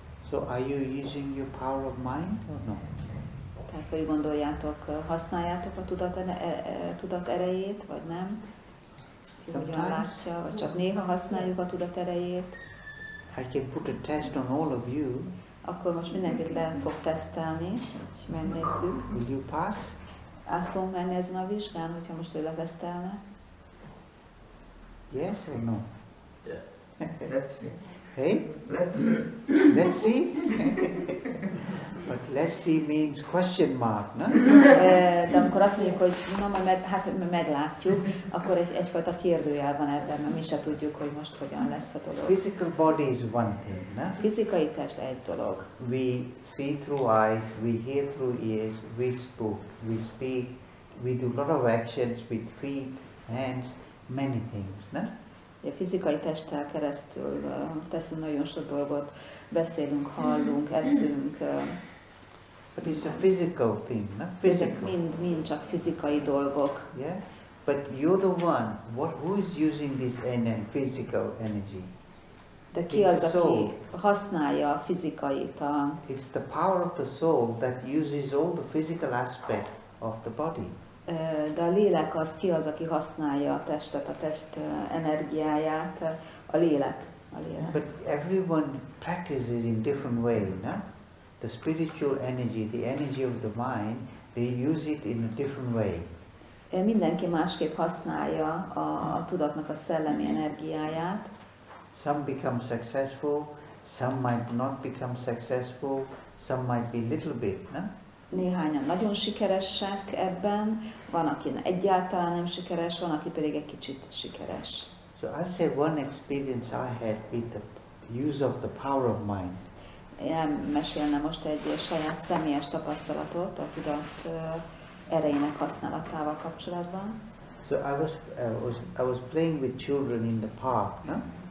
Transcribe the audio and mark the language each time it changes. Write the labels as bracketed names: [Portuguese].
[English] So are you using your power of mind or no? [Hungarian] Tehát, hogy gondoljátok, használjátok a tudat erejét, vagy nem? Hogyan látja, vagy csak néha használjuk a tudat erejét? [English] I can put a test on all of you. [Hungarian] Akkor most mindenkit le fog tesztelni, és megnézzük. [English] Will you pass? [Hungarian] Át fogunk menni ezen a vizsgán, hogyha most ő letesztelne. [English] Yes or no? Yeah. Hey? Let's see. Let's see? But let's see means question mark, no? [Hungarian] De amikor azt mondjuk, hogy na, hát meglátjuk, akkor egyfajta kérdőjel van ebben, mert mi se tudjuk, hogy most hogyan lesz a dolog. [English] Physical body is one thing, no? [Hungarian] Fizikai test egy dolog. [English] We see through eyes, we hear through ears, we spoke, we speak, we do a lot of actions with feet, hands, many things, no? [Hungarian] A fizikai testtel keresztül teszünk nagyon sok dolgot, beszélünk, hallunk, eszünk. [English] But it's a physical thing, not physical. [Hungarian] Mind csak fizikai dolgok. [English] Yeah, but you're the one. What? Who is using this energy, physical energy? [Hungarian] De ki az, aki használja a fizikait? [English] It's the power of the soul that uses all the physical aspect of the body. [Hungarian] De a lélek az, ki az, aki használja a testet, a test energiáját, a lélek. [English] But everyone practices in different way, no? The spiritual energy, the energy of the mind, they use it in a different way. [Hungarian] Mindenki másképp használja a tudatnak a szellemi energiáját. [English] Some become successful, some might not become successful, some might be little bit, no? [Hungarian] Néhányan nagyon sikeresek ebben, van, aki egyáltalán nem sikeres, van, aki pedig egy kicsit sikeres. [English] So I'll say one experience I had with the use of the power of mind. [Hungarian] Én mesélnem most egy saját személyes tapasztalatot a tudat erejének használatával kapcsolatban. [English] So I was playing with children in the park, no?